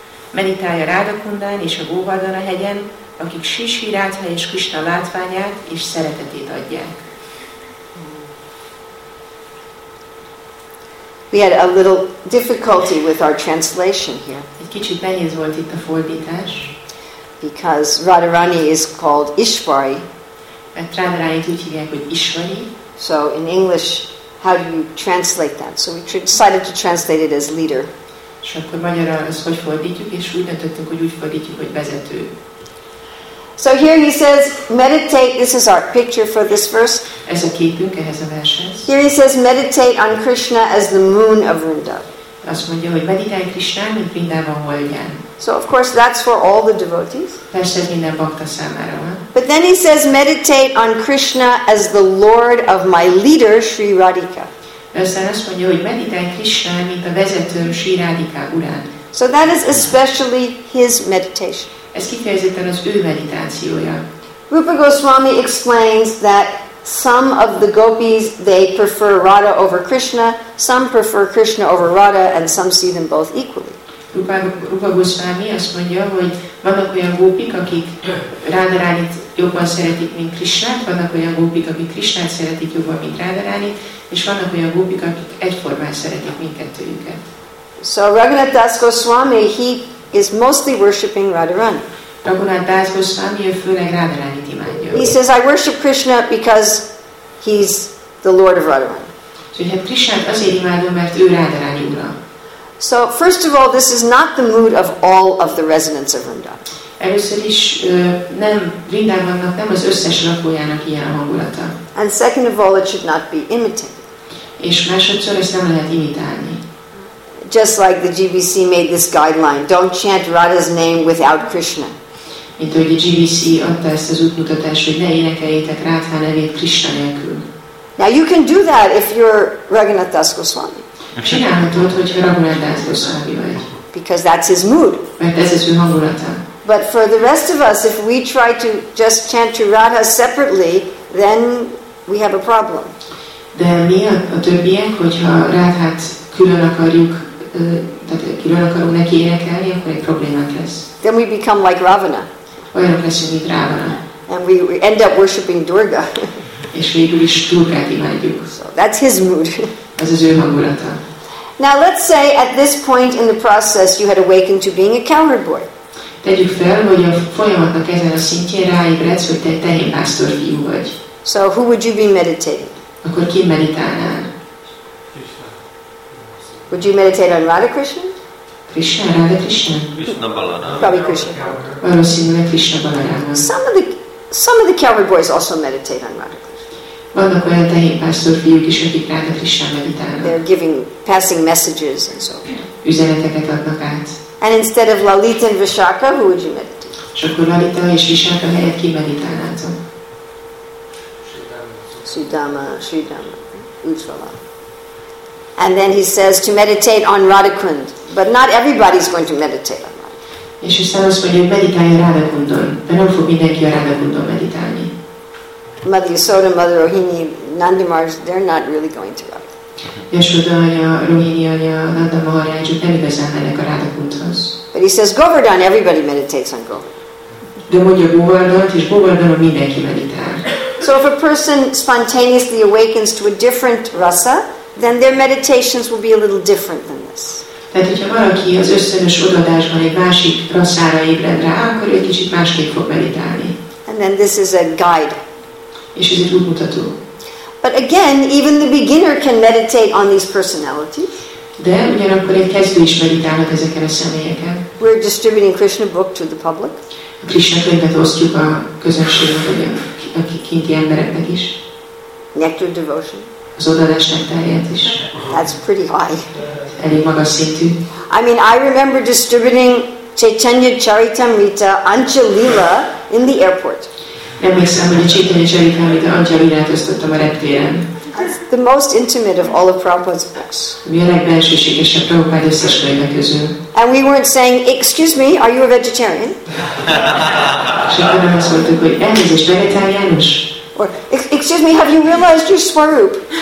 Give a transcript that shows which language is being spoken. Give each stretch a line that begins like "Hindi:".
Hungarian: Meditálj a Rádakundán és a Góvardana hegyen, akik Sisi Rádha és Krisna látványát és szeretetét adják.
English: We had a little difficulty with our translation here.
Hungarian: Egy kicsit nehéz volt itt a fordítás.
English: Because Radharani is called Ishvari.
Hungarian: Mert Radharanit úgy hívják, hogy Ishvari.
English: So in English, how do you translate that? So we decided to translate it as leader.
Hungarian: És akkor magyarra ezt hogy fordítjuk, és úgy döntöttünk, hogy úgy fordítjuk, hogy vezető.
English: So here he says, meditate, this is our picture for this verse.
Hungarian: Ez a képünk ehhez a vershez.
English: Here he says, meditate on Krishna as the moon of Vrindavan.
Hungarian: Azt mondja, hogy meditálj Krishna, mint Vrindavan holdján.
English: So of course that's for all the devotees.
Hungarian: Persze minden bhakta számára.
English: But then he says, meditate on Krishna as the Lord of my leader, Sri Radhika.
Hungarian: Aztán azt mondja, hogy meditálj Krishna, mint a vezetőm, Sri Radhika urán.
English: So that is especially his meditation.
Hungarian: Ez kifejezetten az ő meditációja.
English: Rupa Goswami explains that some of the gopis, they prefer Radha over Krishna, some prefer Krishna over Radha, and some see them both equally.
Hungarian: Rupa Goswami azt mondja, hogy vannak olyan gópik, akik Radharanit jobban szeretik, mint Krishnát, vannak olyan gópik, akik Krishnát szeretik jobban, mint Radharanit, és vannak olyan gópik, akik egyformán szeretik mindkettőjüket.
English: So Raghunath Das Goswami, he is mostly worshipping Radharani.
Hungarian: Raghunath Das Goswami főleg Radharanit imádja.
English: He says, I worship Krishna because he's the Lord of Radharani.
Hungarian: So, hát Krishnát azért imádom, mert ő Radharani ura.
English: So first of all, this is not the mood of all of the residents of Vrindavan.
Hungarian: Először is nem Vrindavannak, nem az összes lakójának ilyen hangulata.
English: And second of all, it should not be imitated.
Hungarian: És másodszor ezt nem lehet imitálni.
English: Just like the GBC made this guideline, don't chant Radha's name without Krishna.
Hungarian: Mint hogy a GBC adta ezt az útmutatást, hogy ne énekeljétek Radha nevét Krishna nélkül.
English: Now you can do that if you're Raghunath Das Goswami.
Hungarian: Csinálhatod, hogyha Raghunath Das Goswami vagy.
English: Because that's his mood.
Hungarian: Mert ez az ő hangulata.
English: But for the rest of us, if we try to just chant to Radha separately, then we have a problem.
Hungarian: De mi a többiek, hogyha Radhát külön akarjuk, tehát külön akarunk neki énekelni, akkor egy problémánk lesz.
English: Then we become like Ravana.
Hungarian: Olyanok leszünk, mint Ravana.
English: And we end up worshipping Durga.
Hungarian: És végül is Durgát imádjuk.
English: So that's his mood.
Hungarian: Ez az ő hangulata.
English: Now let's say at this point in the process you had awakened to being a cowherd boy.
Hungarian: Tegyük fel, hogy a folyamatnak ezen a szintjén ráébredsz, hogy te egy tehénpásztor fiú vagy.
English: So who would you be meditating?
Hungarian: Akkor ki meditálnál?
English: Would you meditate on Radha Krishna? Krishna, Radha Krishna. Krishna Balaram. Probably Krishna.
Hungarian: Valószínűleg Krishna Balaram.
English: Some of the cowboy boys also meditate on Radha Krishna.
Hungarian: Vannak olyan tehénpásztor fiúk is, akik Radha Krishna meditálnak.
English: They're giving, passing messages and so on.
Hungarian: Üzeneteket adnak át.
English: And instead of Lalita and Vishakha, who would you meditate?
Hungarian: És akkor Lalita és Vishakha helyett ki meditálnátok? Sudama, Utrala.
English: And then he says to meditate on Radhakund, but not everybody is going to meditate on Radhakund.
Hungarian: És aztán azt mondja, meditálj a Radhakundon, de nem fog mindenki a Radhakundon meditálni.
English: Mother Yasoda, Mother Rohini, Nanda Maharaj, they're not really going to Radhakund.
Hungarian: Yasoda anya, Rohini anya, Nanda Maharaj, ők nem igazán mennek a Radhakundhoz.
English: But he says Govardhan, everybody meditates on Govardhan.
Hungarian: De mondja Govardhant, és Govardhanon mindenki meditál.
English: So if a person spontaneously awakens to a different rasa, then their meditations will be a little different than this.
Hungarian: Tehát, hogyha valaki az ösztönös odaadásban egy másik rasszára ébred rá, akkor ő kicsit másképp fog meditálni.
English: And then this is a guide.
Hungarian: És ez egy útmutató.
English: But again, even the beginner can meditate on these personalities.
Hungarian: De ugyanakkor egy kezdő is meditálhat ezeken a személyeken.
English: We're distributing Krishna book to the public.
Hungarian: A Krishna könyvet osztjuk a közönségnek, vagy a kinti embereknek is.
English: Nectar devotion.
Hungarian: Az odaadás nektárját is.
English: That's pretty high.
Hungarian: Elég magas szintű.
English: I mean, I remember distributing Chaitanya Charitamrita Anchalila in the airport.
Hungarian: Emlékszem, hogy a Chaitanya Charitamrita Anchalilát osztottam a reptéren.
English: That's the most intimate of all of Prabhupada's books.
Hungarian: Mi a legbelsőségesebb Prabhupada összes könyve közül.
English: And we weren't saying, excuse me, are you a vegetarian?
Hungarian: Sőt, nem azt mondtuk, hogy elnézést, vegetáriánus?
English: Or, excuse me, have you realized your swarup?